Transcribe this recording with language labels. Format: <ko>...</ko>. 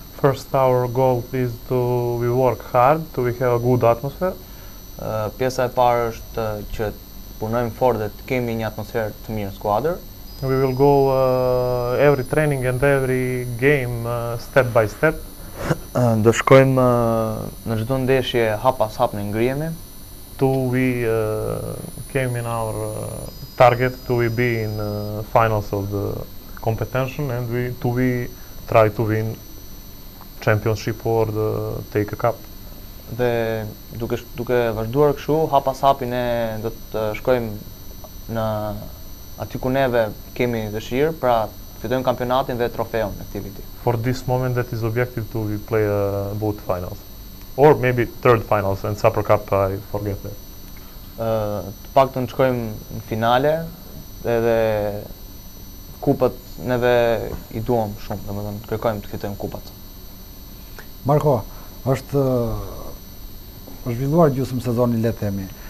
<en>First our goal is to we work hard, to we have a good atmosphere.</en> <sq>Pjesa e parë është që punojmë fort dhe të kemi një atmosferë të mirë në skuadër.</sq> <en>We will go every training and every game step by step.</en> <sq>Do shkojmë në çdo ndeshje hap pas hap në ngrihemi.</sq> <en>To we came in our target to we be in finals of the competition and we try to win championship or the take a cup.</en> <sq>Dhe duke vazhduar kështu hap pas hapi ne do të shkojmë në aty ku neve kemi dëshirë, pra fitojmë kampionatin dhe trofeun në këtë vit.</sq> <en>For this moment that is objective to we play both finals or maybe third finals and Super Cup I forget that.</en> <sq>Të paktën shkojmë në finale edhe kupat neve I duam shumë, domethënë kërkojmë të fitojmë kupat. Marko, është zhvilluar gjysmë sezoni le të themi.</sq>